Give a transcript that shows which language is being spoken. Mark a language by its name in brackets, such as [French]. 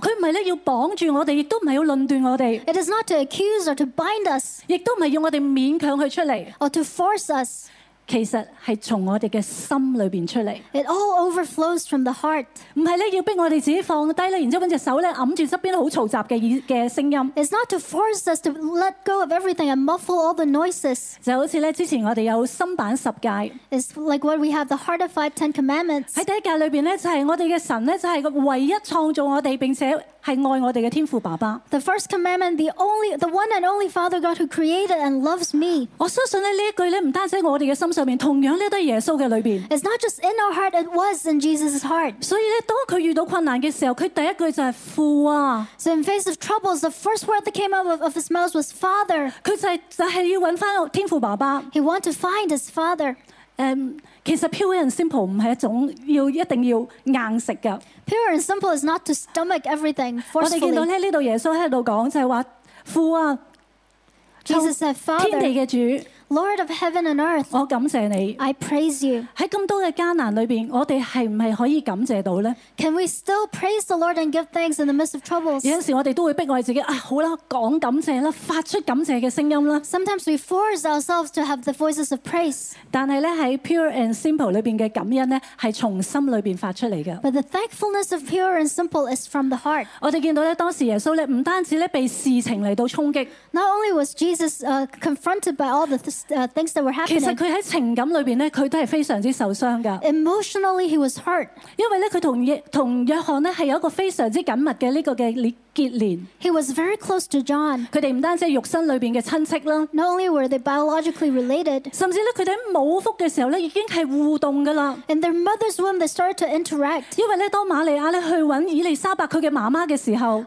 [Chinese] 它不是要绑住我们也不是要论断我们 [English] It is not to accuse or to bind us. [Chinese] 也不是要我们勉强去出来 [English] Or to force us. [Chinese] 其实是从我们的心里面出来。 [English] It all overflows from the heart. [Chinese] 不是要逼我们自己放低，然后把手揞住旁边很嘈杂的声音。 [English] It's not to force us to let go of everything and muffle all the noises. [Chinese] 就好像之前我们有心版十诫。 [English] It's like what we have the heart of five ten commandments. [Chinese] 在第一诫里面，就是我们的神，就是唯一创造我们，并且是爱我们的天父爸爸。 [English] The first commandment, the one and only Father God who created and loves me. [Chinese] 我相信这句不单在我们的心上面，同样在耶稣的里面。 [English] It's not just in our heart, it was in Jesus' heart. [Chinese] 所以当他遇到困难的时候，他第一句就是父啊。 [English] So in face of troubles, the first word that came out of his mouth was Father. [Chinese] 他就是要找回天父爸爸。 [English] He wanted to find his Father. [Chinese] 其实 [English] pure and simple [Chinese] 不是一种一定要硬食的。 [English] Pure and simple is not to stomach everything forcefully. [Chinese] 我们看到这里耶稣在说，就是说父啊， [English] Jesus said, Father, [Chinese] 天地的主， [English] Lord of heaven and earth, [Chinese] 我感谢你。 [English] I praise you. [Chinese] 在这么多的艰难里面，我们是不是可以感谢到呢？ [English] Can we still praise the Lord and give thanks in the midst of troubles? [Chinese] 有时候我们都会逼我们自己，好了，讲感谢吧，发出感谢的声音吧。 [English] Sometimes we force ourselves to have the voices of praise. [Chinese] 但是在 [English] pure and simple [Chinese] 里面的感恩呢，是从心里面发出来的。 [English] But the thankfulness of pure and simple is from the heart. [Chinese] 我们看到当时耶稣不单止被事情来到冲击， [English] Not only was Jesus confronted by all the things that were happening. [Chinese] 其实他在情感里面，他都是非常受伤的。 [English] Emotionally, he was hurt. [Chinese] 因为他和约翰是有一个非常紧密的结连。 [English] He was very close to John. [Chinese] 他们不单是肉身里面的亲戚。 [English] Not only were they biologically related. [Chinese] 甚至他们在母腹的时候已经是互动的了。 [English] In their mother's womb, they started to interact. [Chinese] 因为当玛利亚去找以利沙伯他的妈妈的时候，